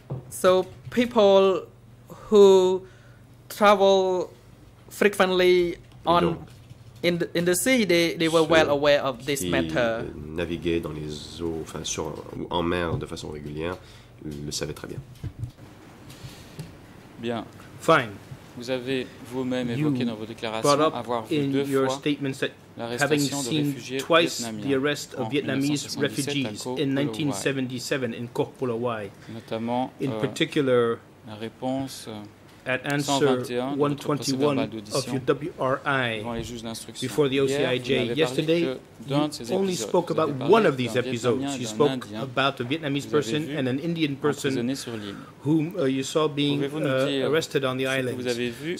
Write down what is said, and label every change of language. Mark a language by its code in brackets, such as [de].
[en] So people who travel frequently on in the sea, they were well aware of this matter. [fr] Naviguaient dans les eaux, enfin sur en mer de façon régulière, le savaient très bien. Bien. [en] Fine. [fr] Vous avez vous-même évoqué dans vos déclarations avoir vu deux fois l'arrestation de réfugiés vietnamiens en 1977 à Koh Phulawai, notamment [en] in particular, [fr] la réponse [en] at answer 121 of your WRI before the OCIJ. Yesterday, you only spoke about one of these episodes. You spoke about a Vietnamese person and an Indian person whom you saw being arrested on the island.